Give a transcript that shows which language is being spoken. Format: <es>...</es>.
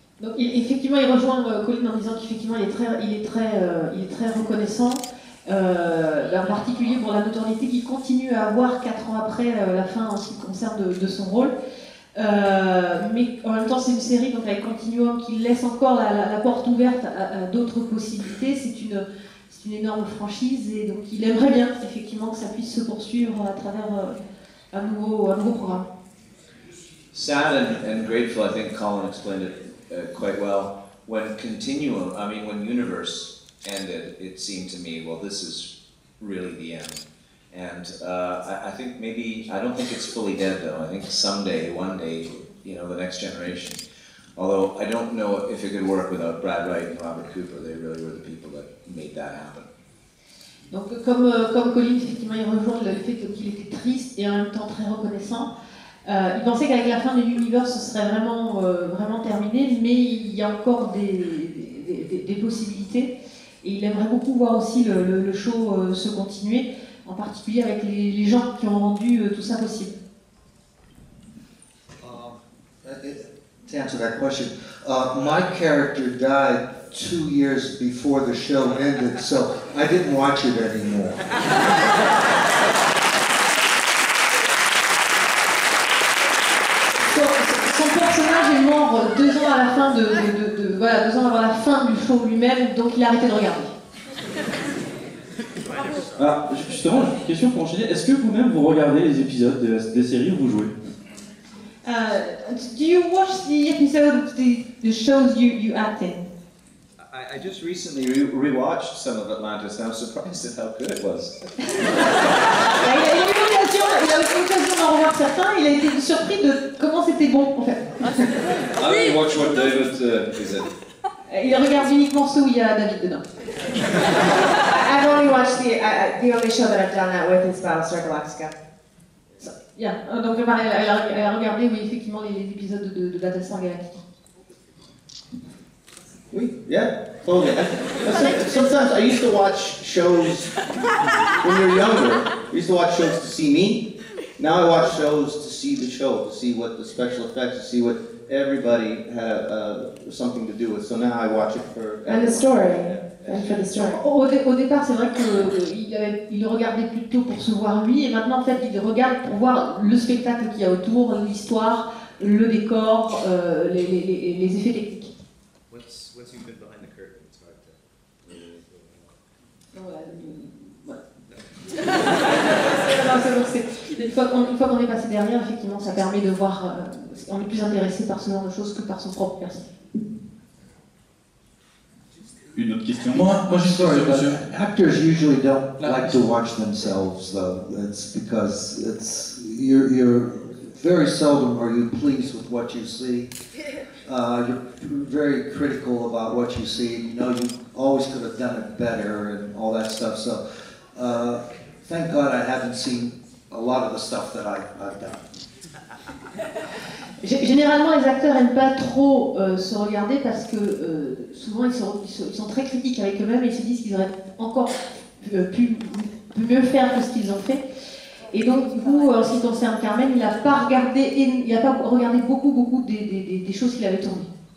<fr>Donc, effectivement, il rejoint Colin en disant qu'effectivement, il est très reconnaissant, en particulier pour la notoriété qu'il continue à avoir 4 ans après la fin en ce qui concerne de son rôle. Mais en même temps, c'est une série donc avec Continuum qui laisse encore la porte ouverte à d'autres possibilités. C'est une énorme franchise et donc il aimerait bien effectivement que ça puisse se poursuivre à travers un nouveau programme.</fr> <en>Sad and grateful, I think Colin explained it quite well. When Universe ended, it seemed to me, well, this is really the end. And I don't think it's fully dead though. I think someday, one day, you know, the next generation. Although I don't know if it could work without Brad Wright and Robert Cooper. They really were the people that made that happen.</en> <fr>Donc comme Colin, effectivement, il rejoint le fait qu'il était triste et en même temps très reconnaissant. Il pensait qu'avec la fin de l'univers, ce serait vraiment vraiment terminé, mais il y a encore des possibilités. Et il aimerait beaucoup voir aussi le show se continuer. En particulier avec les gens qui ont rendu tout ça possible.</fr> <en>To answer that question, my character died 2 years before the show ended, so I didn't watch it anymore.</en> <fr>Son personnage est mort 2 ans à la fin de 2 ans avant la fin du show lui-même, donc il a arrêté de regarder. Ah, justement, question pour enchaîner. Est-ce que vous-même vous regardez les épisodes des séries où vous jouez?</fr> <en>Do you watch the episodes, the shows you act in? I just recently rewatched some of Atlantis, and I was surprised at how good it was.</en> <fr>Il a eu l'occasion d'en revoir certains. Il a été surpris de comment c'était bon, en fait.</fr> <en>I only watch what David is in.</en> <fr>Il regarde uniquement ceux où il y a David dedans.</fr> <en>I've only watched the only show that I've done that with is Battlestar Galactica. So, yeah,</en> <fr>donc elle a regardé, oui, effectivement, les épisodes de Battlestar Galactica. Oui,</fr> <en>yeah, totally. Sometimes I used to watch shows when you're younger. I used to watch shows to see me. Now I watch shows to see the show, to see what the special effects, to see what everybody had something to do with. So now I watch it for everyone. And the story. And for the story.</en> <fr>Au départ, c'est vrai qu'il le regardait plutôt pour se voir lui, et maintenant, en fait, il regarde pour voir le spectacle qu'il y a autour, l'histoire, le décor, les effets techniques.</fr> <en>What's you've been behind the curtain? It's hard to.</en> <fr>Non, c'est bon, c'est. une fois qu'on est passé derrière, effectivement, ça permet de voir. On est plus intéressé par ce genre de choses que par son propre personnage. Une autre question. Moi je suis sûr, monsieur.</fr> <en>Actors usually don't like to watch themselves, though. It's because it's you're very seldom are you pleased with what you see. You're very critical about what you see. You know you always could have done it better and all that stuff. So thank God I haven't seen a lot of the stuff that I've done.</en> <fr>Généralement, les acteurs n'aiment pas trop se regarder parce que souvent ils sont très critiques avec eux-mêmes et ils se disent qu'ils auraient encore pu mieux faire que ce qu'ils ont fait. Et donc, du coup, en ce qui concerne Carmen, il n'a pas regardé beaucoup des choses qu'il avait tournées.</fr>